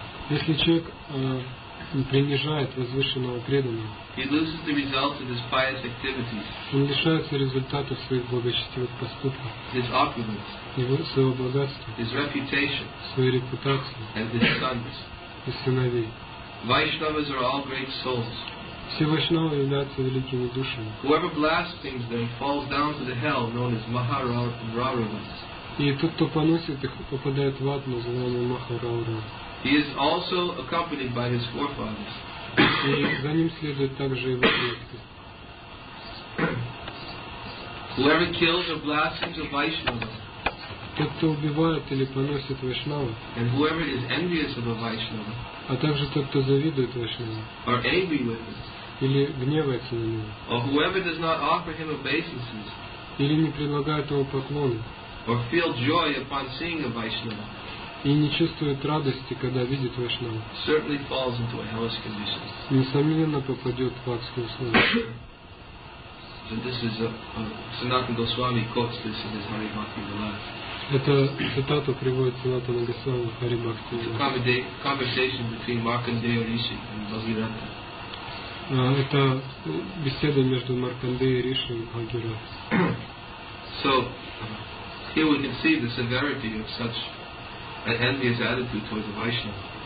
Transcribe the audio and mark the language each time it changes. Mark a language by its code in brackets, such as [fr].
[ru] если человек принижает возвышенного преданного, [en] he loses the result of his pious activities, [ru] он лишается результатов своих благочестивых поступков, [en] his opulence, [ru] его своего богатства, [en] his reputation, [ru] своей репутации, [en] and his sons, [ru] и сыновей. [en] Vaishnavas are all great souls. [ru] Все вайшнавы являются великими душами. [en] Whoever blasphemes them falls down to the hell known as Maharauravas. [ru] И тот, кто поносит их, попадает в ад, называемый Махарауравы. [en] He is also accompanied by his forefathers. [ru] И за ним следует также его предки. [en] Whoever kills or blasphemes a Vaishnava. [ru] Тот, кто убивает или поносит вайшнавы. [en] And whoever is envious of a Vaishnava. [ru] А также тот, кто завидует вайшнавам. [en] Or angry with him. [ru] Или гневается на него. [en] Or whoever does not offer him obeisances. [ru] Или не предлагает ему поклоны. [en] Or feel joy upon seeing a Vaishnava. [ru] И не чувствует радости, когда видит вайшнава. [en] Certainly falls into a hellish condition. [ru] Несомненно попадет в адские условия. [en] So this is Sanatana Goswami quotes this in his Hari Bhakti Vilas. [ru] Это цитату приводит Санатана Госвами в Hari Bhakti Vilas. [en] Conversation between Markandeya Rishi and Bhagiratha. [ru] Это беседа между Маркандеей Риши и Бхагиратхой. [en] So, here we can see the severity of such an envious attitude towards the Vaishnava.